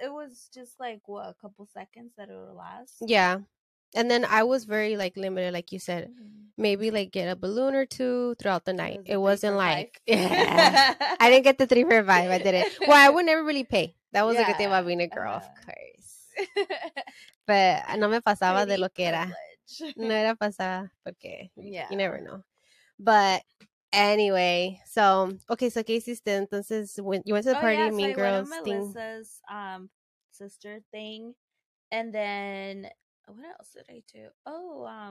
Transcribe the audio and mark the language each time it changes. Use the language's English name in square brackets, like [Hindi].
[English] It was just, like, what, a couple seconds that it would last? Yeah. And then I was very, like, limited, like you said. Mm-hmm. Maybe, like, get a balloon or two throughout the night. It wasn't, like, I didn't get the 3 for 5. I didn't. Well, I would never really pay. That was a good thing about being a girl, of course. [Spanish] But no me pasaba de lo que era. No era pasada porque you never know. But... [English] Anyway, so okay, so Casey's then. Entonces, you went to the party, Mean Girls thing. Oh yeah, so I went to Melissa's sister thing, and then what else did I do? Oh,